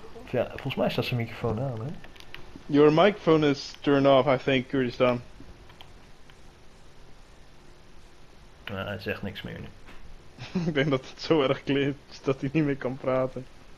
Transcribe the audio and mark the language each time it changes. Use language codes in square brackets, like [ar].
[nl] Ja, volgens mij staat zijn microfoon aan, hè? [en] Your microphone is turned off, I think, Kurdistan. [nl] Hij zegt niks meer nu. Ik denk dat het zo erg klinkt dat hij niet meer kan praten.